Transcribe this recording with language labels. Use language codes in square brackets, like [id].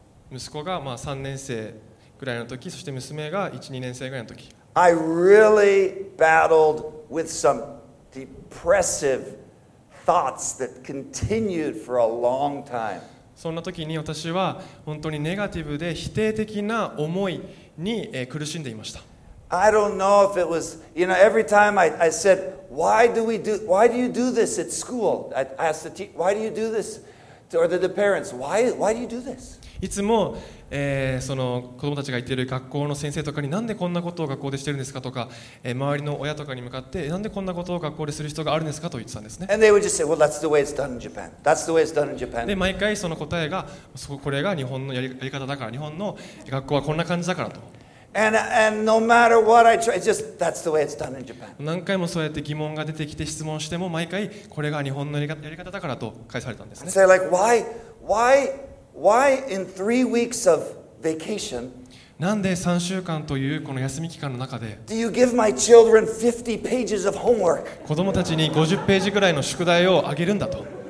[ja] 息子がまあ3年生ぐらいの時、そして娘が1、2年生ぐらいの時。 [en] I really battled with some depressive thoughts that continued for a long time. [ja] そんな時に私は本当にネガティブで否定的な思いに苦しんでいました。 [en] I don't know if it was, you know, every time I said, why do you do this at school? I asked the teacher, why do you do this? Or the parents, why do you do this? [ja] いつも、その子供たちが言っている学校の先生とかになんでこんなことを学校でしてるんですかとか、周りの親とかに向かってなんでこんなことを学校でする人があるんですかと言ってたんですね。 [en] And they would just say, well, that's the way it's done in Japan. That's the way it's done in Japan. [ja] で毎回その答えがこれが日本のやり方だから日本の学校はこんな感じだからと [en] and no matter what I try, just that's the way it's done in Japan. [ja] 何回もそうやって疑問が出てきて質問しても毎回これが日本のやり方だからと返されたんですね。 [en] And say like, why? Why in three weeks of vacation? [ja] なんで3週間というこの休み期間の中で、 [en] do you give my children 50 pages of homework? [ja] 子供たちに50ページぐらいの宿題をあげるんだと。